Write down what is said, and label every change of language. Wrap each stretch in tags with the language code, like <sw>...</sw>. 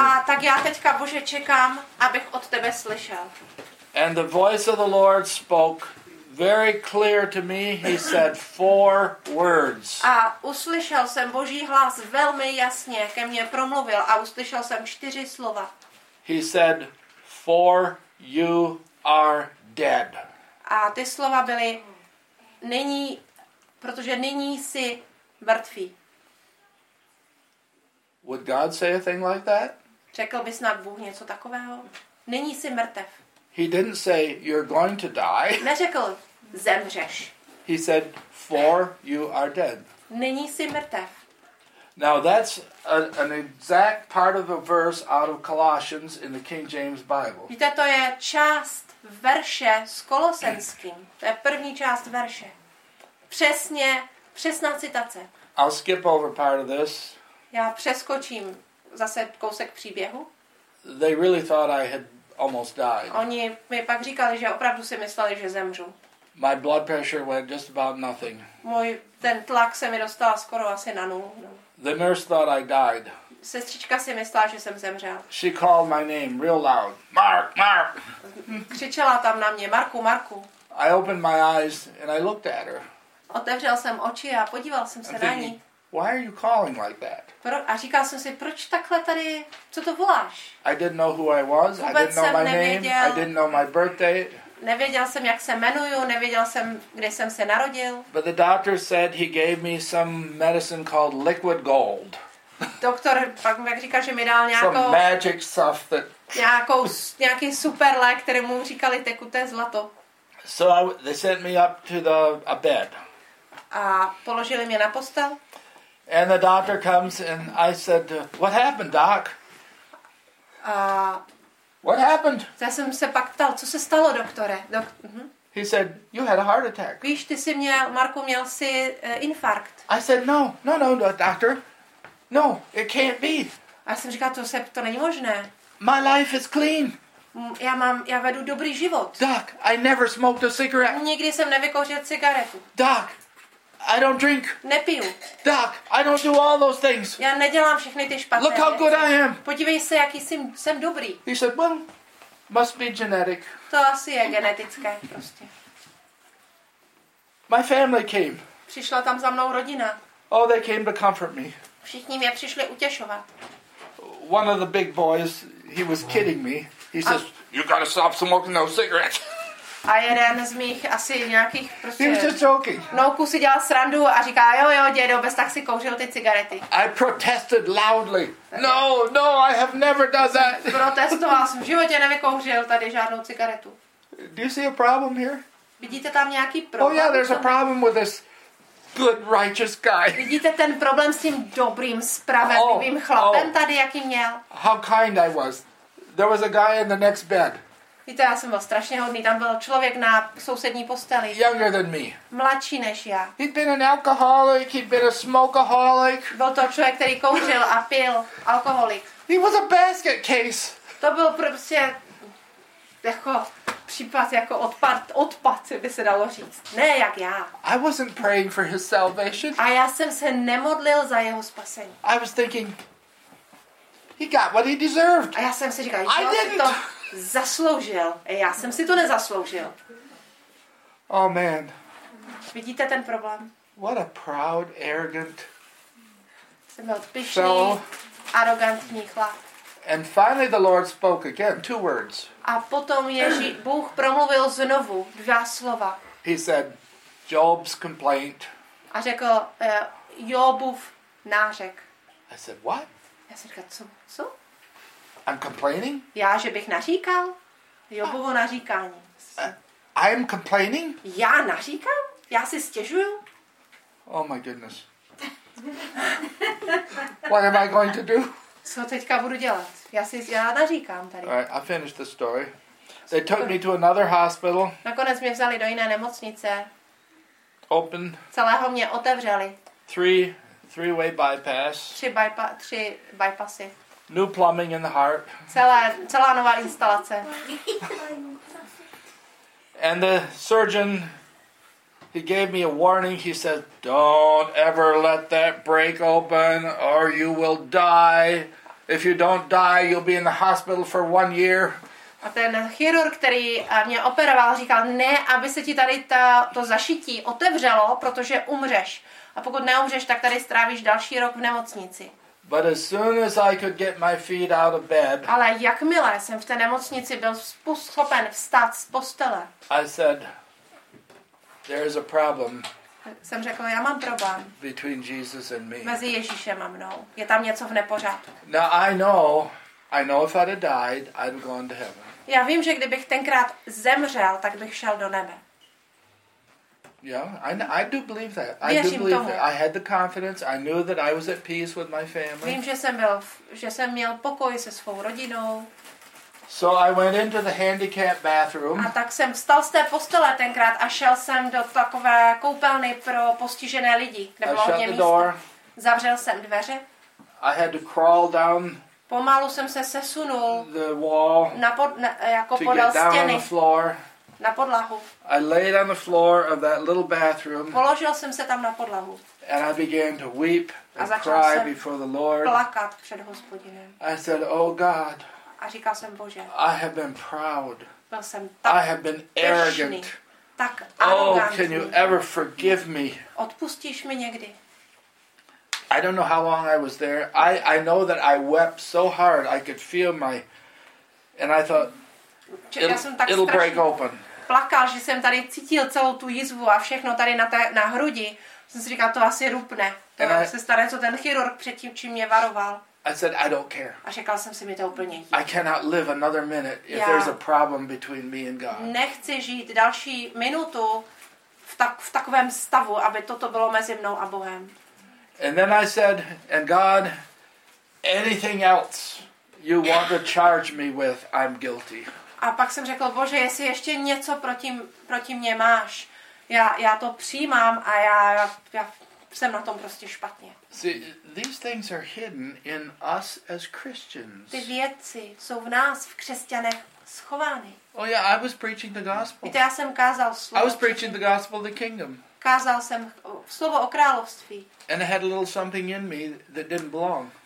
<cs>A tak já teďka, Bože, čekám, abych od tebe slyšel.</cs> <en>And the voice of the Lord spoke very clear to me. He said 4 words.</en> <cs>A uslyšel jsem Boží hlas velmi jasně, ke mně promluvil a uslyšel jsem 4 slova.</cs> <en>He said, "For you are dead."</en> <cs>A ty slova byly nyní, protože nyní jsi mrtvý.</cs> <en>Would God say a thing like that?</en> <cs>Řekl by snad Bůh něco takového? Nyní jsi mrtev.</cs> <en>He didn't say you're going to die.</en> <cs>Neřekl, zemřeš.</cs> <en>He said, "For you are dead."</en> <cs>Nyní jsi mrtev.</cs> <en>Now that's an exact part of a verse out of Colossians in the King James Bible.</en> <cs>Víte, to je část verše z Kolosenským. To je první část verše. Přesná citace.</cs> <en>I'll skip over part of this.</en> <cs>Já přeskočím zase kousek příběhu.</cs> <en>They really thought I had almost died.</en> <cs>Oni mi pak říkali, že opravdu si mysleli, že zemřu.</cs> <en>My blood pressure went just about nothing.</en> <cs>Ten tlak se mi dostal skoro asi na nulu.</cs> <en>The nurse thought I died.</en> <cs>Sestřička si myslela, že jsem zemřel.</cs> <en>She called my name real loud. Mark, Mark.</en> <cs>Křičela tam na mě, Marku, Marku.</cs> <en>I opened my eyes and I looked at her.</en> <cs>Otevřel jsem oči a podíval jsem se na ní.</cs> <en>Why are you calling like that?</en> <cs>A říkal jsem si, proč takhle tady, co to voláš?</cs> <en>I didn't know who I was.</en> <cs>Vůbec</cs> <en>I didn't know my</en> <cs>nevěděl,</cs> <en>name. I didn't know my birthday.</en> <cs>Nevěděl jsem, jak se jmenuju, nevěděl jsem, kde jsem se narodil.</cs> <en>But the doctor said he gave me some medicine called liquid gold.</en> <cs>Doktor pak mi říkal, že mi dal nějakou</cs> <en>some magic stuff that</en> <cs>nějaký super lék, kterému říkali tekuté zlato.</cs> <en>So they sent me up to a bed.</en> <cs>A položili mě na postel.</cs> <en>And the doctor comes and I said, "What happened, doc?" What happened?</en> <cs>Já jsem se pak ptal, co se stalo, doktore?</cs> <en>He said, "You had a heart attack."</en> <cs>Víš, ty jsi měl, Marku, měl jsi infarkt.</cs> <en>I said, "No, doctor. No, it can't be."</en> <cs>A jsem říkal, to není možné.</cs> <en>My life is clean.</en> <cs>Já vedu dobrý život.</cs> <en>Doc, I never smoked a cigarette.</en> <cs>Nikdy jsem nevykouřil cigaretu.</cs> <en>Doc, I don't drink.</en> <cs>Nepiju.</cs> <en>Doc, I don't do all those things.</en> <cs>Já nedělám všechny ty špatné.</cs> <en>Look how good I am.</en> <cs>Podívej se, jaký jsem dobrý.</cs> <en>He said, "Well, must be genetic."</en> <cs>To asi je genetické, prostě.</cs> <en>My family came.</en> <cs>Přišla tam za mnou rodina.</cs> <en>Oh, they came to comfort me.</en> <cs>Všichni mě přišli utěšovat.</cs> <en>One of the big boys, he was kidding me. He says, "You gotta stop smoking those cigarettes."</en> <cs>A jeden z mých asi nějakých prostě vnouků si dělal srandu a říká, jo, dědo, bez tak si kouřil ty cigarety.</cs> <en>I protested loudly. No, I have never done that.</en> <cs>Protestoval jsem, v životě nevykouřil tady žádnou cigaretu.</cs> <en>Do you see a problem here?</en> <cs>Vidíte tam nějaký problém?</cs> <en>Oh yeah, there's a problem with this good righteous guy.</en> <cs>Vidíte ten problém s tím dobrým, spravedlivým chlapem tady, jaký měl?</cs> <en>How kind I was. There was a guy in the next bed.</en> <cs>Víte, já jsem byl strašně hodný. Tam byl člověk na sousední posteli.</cs> <en>Younger than me.</en> <cs>Mladší než já.</cs> <en>He'd been an alcoholic, he'd been a smokeaholic.</en> <cs>Byl to člověk, který kouřil a pil. Alkoholik.</cs> <en>He was a basket case.</en> <cs>To byl prostě jako případ jako odpad, by se dalo říct. Ne, jak já.</cs> <en>I wasn't praying for his salvation.</en> <cs>A já jsem se nemodlil za jeho spasení.</cs> <en>I was thinking he got what he deserved.</en> <cs>A já jsem si říkal, že si to zasloužil. Já jsem si to nezasloužil.</cs> <en>Oh man.</en> <cs>Vidíte ten problém?</cs> <en>What a proud, arrogant.</en> <cs>Jsem byl pyšný, arrogantní chlap.</cs> <en>And finally the Lord spoke again, two words.</en> <cs>A potom Bůh promluvil znovu dvě slova.</cs> <en>He said, Job's complaint.</en> <cs>A řekl Jobův nářek.</cs> <en>I said, what?</en> <cs>Já jsem říkal, co?</cs> <en>I'm complaining?</en> <cs>Já, že bych naříkal? Jobovo naříkání.</cs> <en>I'm complaining?</en> <cs>Já naříkám? Já si stěžuju?</cs> <en>Oh my goodness. What am I going to do?</en> <cs>Co teďka budu dělat? Já naříkám tady.</cs> <en>All right, I finished the story. They took me to another hospital.</en> <cs>Nakonec mě vzali do jiné nemocnice.</cs> <en>Open.</en> <cs>Celého mě otevřeli.</cs> <en>Three-way bypass.</en> <cs>Tři bypassy.</cs> <en>New plumbing in the heart.</en> <cs>Celá nová instalace.</cs> <en>And the surgeon, he gave me a warning. He said, don't ever let that break open or you will die. If you don't die, you'll be in the hospital for 1 year.</en> <cs>A ten chirurg, který mě operoval, říkal, ne, aby se ti tady to zašití otevřelo, protože umřeš. A pokud neumřeš, tak tady strávíš další rok v nemocnici.</cs> <en>But as soon as I could get my feet out of bed,</en> <cs>ale jakmile jsem v té nemocnici byl schopen vstát z postele,</cs> <en>I said, there is a problem.</en> <cs>Jsem řekl, já mám problém.</cs> <en>Between Jesus and me.</en> <cs>Mezi Ježíšem a mnou. Je tam něco v nepořádku.</cs> <en>Now I know if I'd have died, I'd have gone to heaven.</en> <cs>Já vím, že kdybych tenkrát zemřel, tak bych šel do nebe.</cs> <en>Yeah, I do believe that. I do believe that. I had the confidence. I knew that I was at peace with my family.</en> <cs>Vím, že jsem měl pokoj se svou rodinou.</cs> <en>So I went into the handicap bathroom.</en> <cs>A tak jsem vstal z té postele tenkrát a šel jsem do takové koupelny pro postižené lidi, kde bylo hodně místo. Zavřel jsem dveře.</cs> <en>I had to crawl down.</en> <cs>Pomalu jsem se sesunul.</cs> <en>The wall.</en> <cs>Podél stěny. Na podlahu.</cs> <en>I laid on the floor of that little bathroom.</en> <cs>Položil jsem se tam na podlahu.</cs> <en>And I began to weep and cry before the Lord.</en> <cs>A začal jsem plakat před Hospodinem.</cs> <en>I said, "Oh God."</en> <cs>A říkal jsem, Bože.</cs> <en>I have been proud.</en> <cs>Byl jsem tak pyšný.</cs> <en>I have been arrogant.</en> <cs>Tak arrogantní.</cs> <en>Oh, can you ever forgive me?</en> <cs>Odpustíš mi někdy?</cs> <en>I don't know how long I was there. I know that I wept so hard I could feel my, and I thought. It'll break open.</en> <cs>Plakal, že jsem tady cítil celou tu jizvu a všechno tady na hrudi. Jsem si říkal, to asi rupne. To se stane, co ten chirurg předtím, čím mě varoval.</cs> <en>I said, I don't care.</en> <cs>A říkal jsem si, mi to úplně jedno.</cs> <en>I cannot live another minute if there's a problem between me and God.</en> <cs>Nechci žít další minutu v takovém stavu, aby toto bylo mezi mnou a Bohem.</cs> <en>And then I said, and God, anything else you want to charge me with, I'm guilty.</en> <cs>A pak jsem řekl, Bože, jestli ještě něco proti mě máš, já to přijímám a já jsem na tom prostě špatně.</cs> <en>See, these things are hidden in us as Christians.</en> <cs>Ty věci jsou v nás, v křesťanech, schovány.</cs> <en>Oh yeah, I was preaching the gospel.</en> <cs>Víte, já jsem kázal slovo.</cs> <en>I was preaching the gospel of the kingdom.</en> <cs>Kázal jsem slovo o království.</cs> <en>And I had a little something in me that didn't belong.</en>